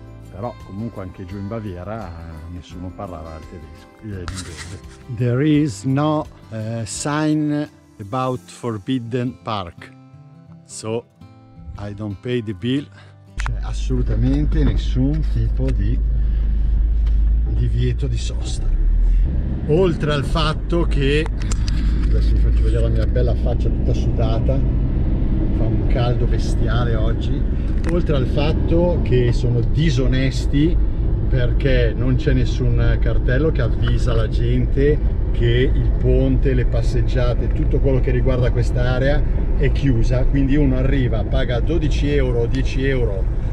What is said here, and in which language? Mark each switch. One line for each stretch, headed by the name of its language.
Italian: Però comunque anche giù in Baviera nessuno parlava il tedesco.
English: There is no sign about forbidden park, so I don't pay the bill.
Italian: C'è assolutamente nessun tipo di divieto di sosta. Oltre al fatto che, adesso vi faccio vedere la mia bella faccia tutta sudata, fa un caldo bestiale oggi, oltre al fatto che sono disonesti perché non c'è nessun cartello che avvisa la gente che il ponte, le passeggiate, tutto quello che riguarda quest'area è chiusa, quindi uno arriva, paga 12 euro o 10 euro